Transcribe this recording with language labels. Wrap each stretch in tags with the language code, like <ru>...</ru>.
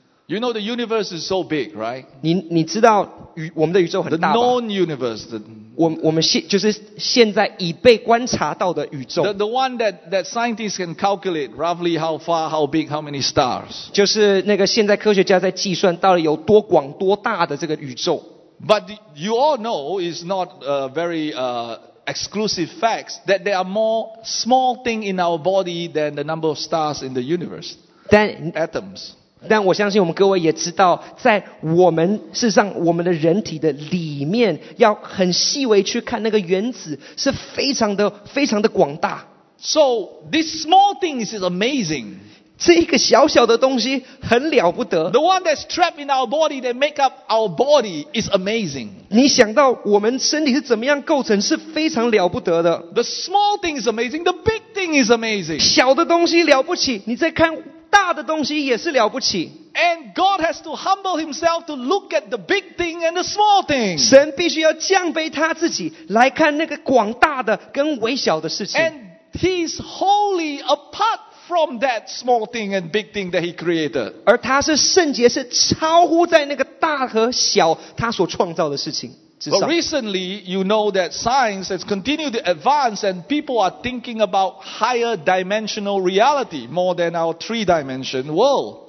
<en>You know the universe is so big, right?</en> <zh>你知道我们的宇宙很大吧</zh> <en>？The known universe,</en> <zh>我们现就是现在已被观察到的宇宙。</zh> <en>The one that scientists can calculate roughly how far, how big, how many stars.</en> <zh>就是那个现在科学家在计算到底有多广多大的这个宇宙。</zh> <en>But you all know it's not a very exclusive facts that there are more small thing in our body than the number of stars in the universe. Atoms.</en> <zh>但我相信我们各位也知道在我们事实上我们的人体的里面要很细微去看那个原子是非常的广大。</zh> <en>So, this small thing is amazing.</en> <zh>这个小小的东西很了不得。</zh> <en>The one that's trapped in our body that make up our body is amazing.</en> <zh>你想到我们身体是怎么样构成是非常了不得的。</zh> <en>The small thing is amazing, the big thing is amazing.</en> <zh>小的东西了不起你再看大的东西也是了不起。</zh> <en>And God has to humble himself to look at the big thing and the small thing.</en> <zh>神必须要降卑他自己来看那个广大的跟微小的事情。</zh> <en>And he's holy apart from that small thing and big thing that he created.</en> <zh>而他是圣洁是超乎在那个大和小他所创造的事情。</zh> <en>But recently, you know that science has continued to advance and people are thinking about higher dimensional reality more than our three-dimension world.</en>